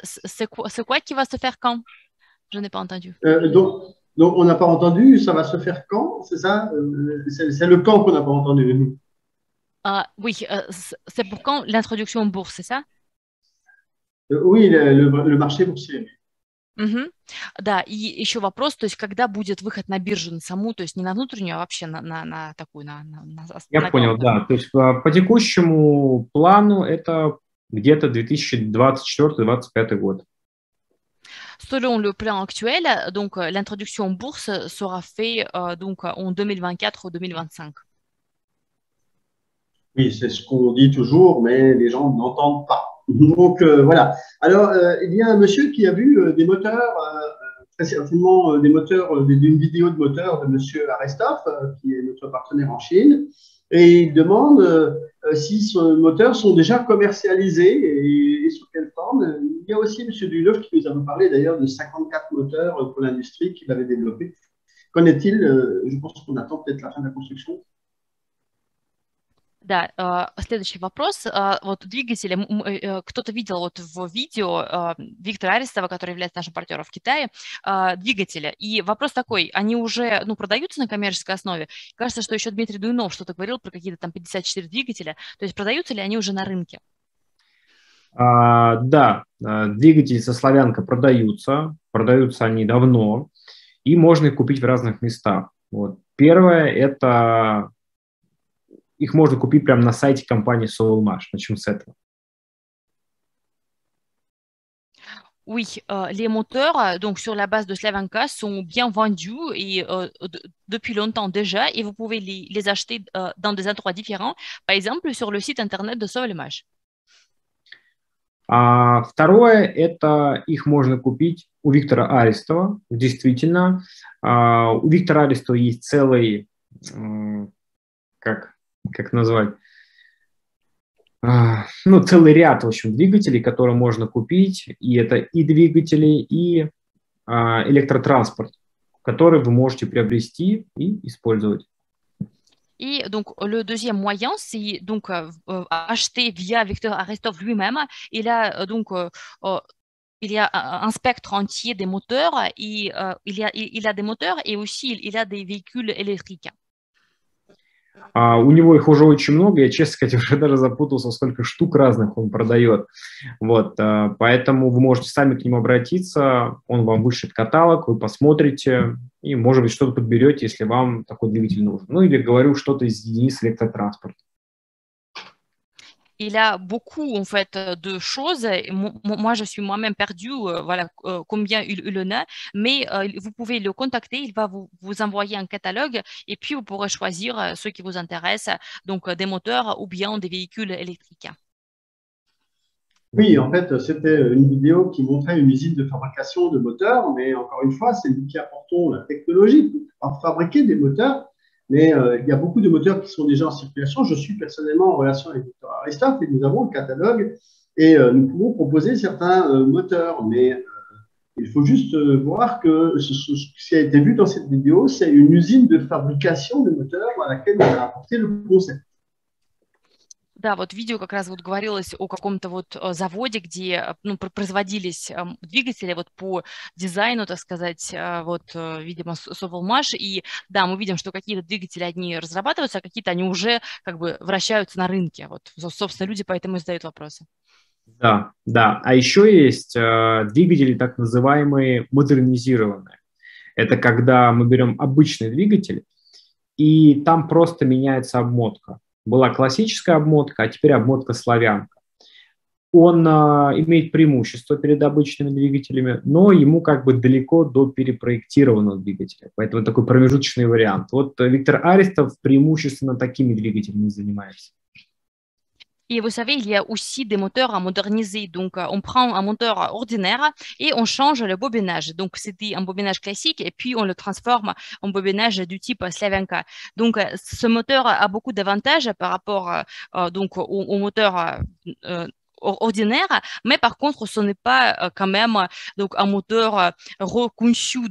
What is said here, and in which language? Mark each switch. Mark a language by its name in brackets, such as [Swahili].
[French] C'est quoi qui va se faire quand? Je n'ai pas entendu. Donc, on n'a pas entendu, ça va se faire quand? C'est ça? C'est le quand qu'on n'a pas entendu, nous. Oui, c'est pour quand l'introduction en bourse, c'est ça? Oui, le marché boursier. [Russian] Да, и еще вопрос, то есть когда будет выход на биржу на саму, то есть не на внутреннюю, а вообще на такую, Я на понял, аккаунтах. да. То есть по текущему плану это где-то 2024-2025 год. [French] Selon le plan actuel, donc l'introduction en bourse sera faite donc en 2024 ou 2025. Oui, c'est ce qu'on dit toujours, mais les gens n'entendent pas. Donc voilà. Alors, il y a un monsieur qui a vu des moteurs, très certainement des moteurs, d'une vidéo de moteur de monsieur Aristophe, qui est notre partenaire en Chine. Et il demande si ces moteurs sont déjà commercialisés et sous quelle forme. Il y a aussi M. Duloff qui nous a parlé d'ailleurs de 54 moteurs pour l'industrie qu'il avait développés. Qu'en est-il? Je pense qu'on attend peut-être la fin de la construction. [Russian] Да, следующий вопрос. Вот двигатели, кто-то видел вот в видео Виктора Арестова, который является нашим партнером в Китае, двигатели. И вопрос такой, они уже, ну, продаются на коммерческой основе? Кажется, что еще Дмитрий Дуйнов что-то говорил про какие-то там 54 двигателя. То есть продаются ли они уже на рынке? Да, двигатели со Славянка продаются они давно, и можно их купить в разных местах. Вот. Первое, это их можно купить прямо на сайте компании Soulmash. Начнем с этого. [French] Oui, les moteurs donc sur la base de Slavanka sont bien vendus et depuis longtemps déjà et vous pouvez les acheter dans des endroits différents, par exemple sur le site internet de Solmage. [Russian] А второе, это их можно купить у Виктора Арестова, действительно. У Виктора Арестова есть целый, как назвать, ну, целый ряд, в общем, двигателей, которые можно купить. И это и двигатели, и электротранспорт, который вы можете приобрести и использовать. [French] Et donc, le deuxième moyen, c'est donc acheter via Victor Aristov lui-même. Il a donc il y a un spectre entier des moteurs et il a des moteurs et aussi il a des véhicules électriques. [Russian] У него их уже очень много, я, честно сказать, уже даже запутался, сколько штук разных он продает. Вот, поэтому вы можете сами к нему обратиться, он вам вышлет каталог, вы посмотрите, и, может быть, что-то подберете, если вам такой двигатель нужен. Ну, или говорю, что-то из единиц электротранспорта. [French] Il a beaucoup en fait de choses. Moi, je suis moi-même perdue. Voilà combien il en a. Mais vous pouvez le contacter. Il va vous envoyer un catalogue et puis vous pourrez choisir ceux qui vous intéressent, donc des moteurs ou bien des véhicules électriques. Oui, en fait, c'était une vidéo qui montrait une usine de fabrication de moteurs, mais encore une fois, c'est nous qui apportons la technologie pour fabriquer des moteurs. Mais il y a beaucoup de moteurs qui sont déjà en circulation. Je suis personnellement en relation avec Victor Aristoff et nous avons le catalogue et nous pouvons proposer certains moteurs. Mais il faut juste voir que ce qui a été vu dans cette vidéo, c'est une usine de fabrication de moteurs à laquelle on a apporté le concept. [Russian] Да, вот в видео как раз вот говорилось о каком-то вот заводе, где ну, производились двигатели вот по дизайну, так сказать, вот, видимо, Совелмаш. И да, мы видим, что какие-то двигатели, одни разрабатываются, а какие-то они уже как бы вращаются на рынке. Вот, собственно, люди поэтому и задают вопросы. Да. А еще есть двигатели, так называемые модернизированные. Это когда мы берем обычный двигатель, и там просто меняется обмотка. Была классическая обмотка, а теперь обмотка Славянка. он имеет преимущество перед обычными двигателями, но ему как бы далеко до перепроектированного двигателя. Поэтому такой промежуточный вариант. Вот Виктор Аристов преимущественно такими двигателями занимается. [French] Et vous savez, il y a aussi des moteurs à moderniser. Donc, on prend un moteur ordinaire et on change le bobinage. Donc, c'était un bobinage classique et puis on le transforme en bobinage du type Slavenka. Donc, ce moteur a beaucoup d'avantages par rapport au moteur ordinaire, mais par contre, ce n'est pas quand même donc, un moteur reconçu.